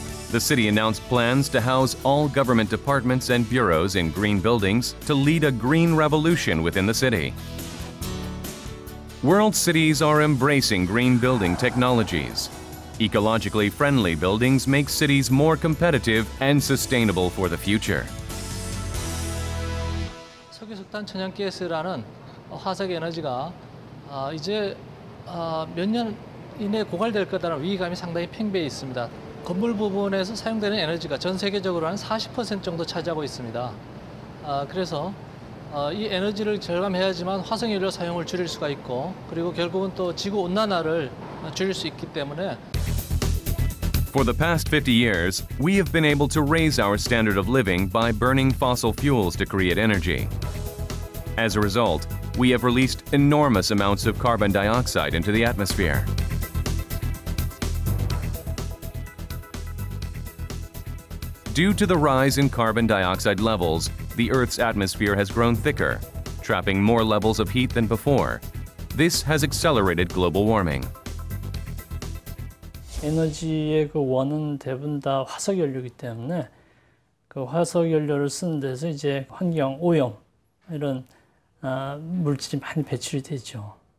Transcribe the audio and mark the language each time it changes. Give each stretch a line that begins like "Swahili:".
English: The city announced plans to house all government departments and bureaus in green buildings to lead a green revolution within the city. World cities are embracing green building technologies. Ecologically friendly buildings make cities more competitive and sustainable for the future.
Korean: 석유석탄 천연 가스라는 화석 에너지가 이제 몇 년 이내 고갈될 거다라는 위기감이 상당히 팽배해 있습니다. 건물 부분에서 사용되는 에너지가 전 세계적으로 한 40% 정도 차지하고 있습니다. 그래서 이 에너지를 절감해야지만 화석연료 사용을 줄일 수가 있고 그리고 결국은 또 지구 온난화를 줄일 수 있기 때문에
English: For the past 50 years, we have been able to raise our standard of living by burning fossil fuels to create energy. As a result, we have released enormous amounts of carbon dioxide into the atmosphere. Due to the rise in carbon dioxide levels, the Earth's atmosphere has grown thicker, trapping more levels of heat than before. This has accelerated global warming.
Korean: 에너지의 그 원은 대부분 다 화석 연료이기 때문에 그 화석 연료를 쓰는 데서 이제 환경 오염 이런 물질이 많이 배출이 되죠.